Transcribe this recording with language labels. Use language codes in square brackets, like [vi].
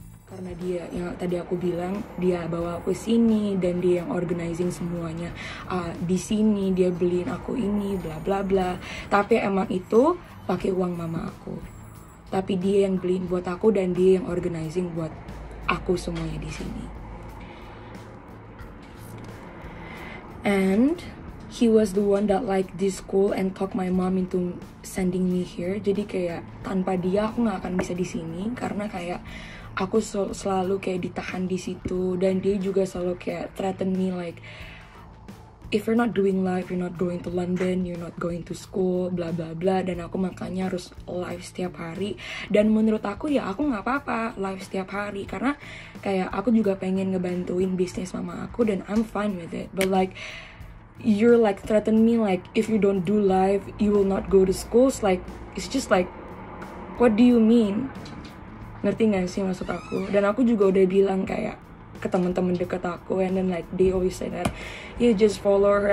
[id] Karena dia yang tadi aku bilang, dia bawa aku sini dan dia yang organizing semuanya di sini, dia beliin aku ini, bla bla bla. Tapi emang itu pakai uang mama aku. Tapi dia yang beliin buat aku dan dia yang organizing buat aku semuanya di sini. [en] And he was the one that like this school and talk my mom into sending me here. [id] Jadi kayak tanpa dia aku nggak akan bisa di sini karena kayak aku selalu kayak ditahan di situ dan dia juga selalu kayak [en] threaten me like if you're not doing live, you're not going to London, you're not going to school, [id] bla bla bla. Dan aku makanya harus live setiap hari. Dan menurut aku ya aku nggak apa-apa live setiap hari karena kayak aku juga pengen ngebantuin bisnis mama aku dan [en] I'm fine with it. But like you're like threaten me like if you don't do live, you will not go to school. So, like it's just like what do you mean? [id] Ngerti nggak sih maksud aku? Dan aku juga udah bilang kayak ke teman-teman dekat aku, [en] and then like they always say that you just follow her.